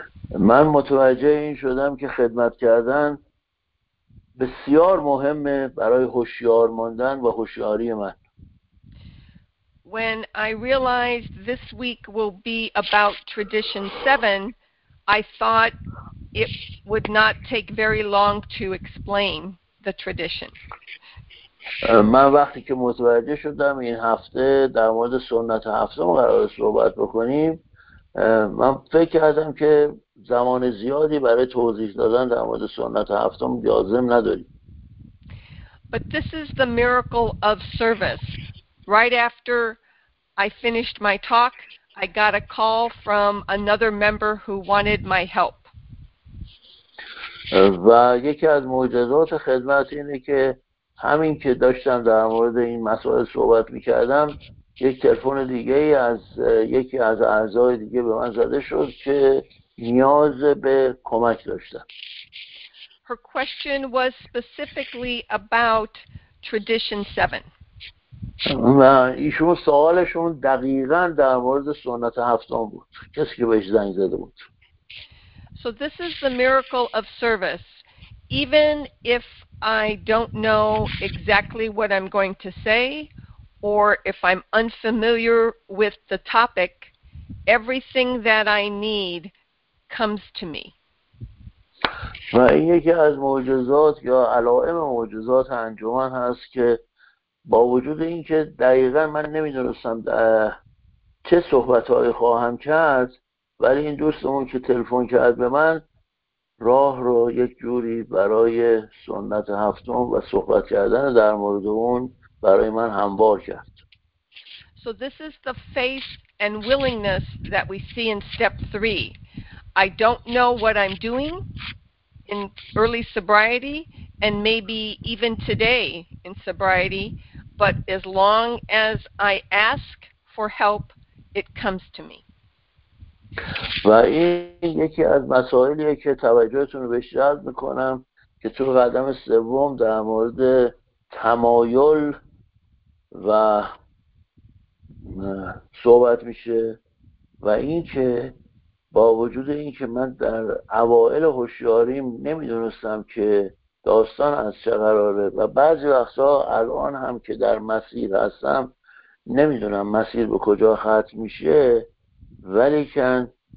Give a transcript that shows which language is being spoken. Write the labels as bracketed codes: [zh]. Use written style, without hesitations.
[fa] من متوجه این شدم که خدمت کردن بسیار مهمه برای هوشیار ماندن و هوشیاری من. [en] When I realized this week will be about tradition 7, I thought it would not take very long to explain the tradition. [fa] من وقتی که متوجه شدم این هفته در مورد سنت هفتم قرار صحبت بکنیم، من فکر کردم که زمان زیادی برای توضیح دادن در مورد سنت هفتم لازم نداریم. [en] But this is the miracle of service. Right after I finished my talk, I got a call from another member who wanted my help. [fa] و یکی از معجزات خدمت اینه که همین که داشتم در مورد این مسائل صحبت می‌کردم، یک تلفن دیگه ای از یکی از اعضای دیگه به من زده شد که نیاز به کمک داشتن. [en] Her question was specifically about tradition 7. [fa] و ایشون سوالشون دقیقاً در مورد سنت هفتم بود، کسی که بهش زنگ زده بود. [en] So this is the miracle of service. Even if I don't know exactly what I'm going to say, or if I'm unfamiliar with the topic, everything that I need comes to me. [fa] و این یکی از معجزات یا علائم معجزات انجمن هست که با وجود اینکه دقیقا من نمیدونستم چه صحبتهایی خواهم کرد، ولی این دوستمون که تلفن کرد به من راه رو یک جوری برای سنت هفتم و صحبت کردن در مورد اون برای من هموار کرد. [en] So this is the faith and willingness that we see in step 3. I don't know what I'm doing in early sobriety and maybe even today in sobriety, but as long as I ask for help, it comes to me. [fa] و این یکی از مسائلیه که توجهتون رو بهش جلب میکنم که تو قدم سوم در مورد تمایل و صحبت میشه، و این که با وجود اینکه من در اوائل هوشیاریم نمیدونستم که داستان از چه قراره و بعضی وقتا الان هم که در مسیر هستم نمیدونم مسیر به کجا ختم میشه، ولیکن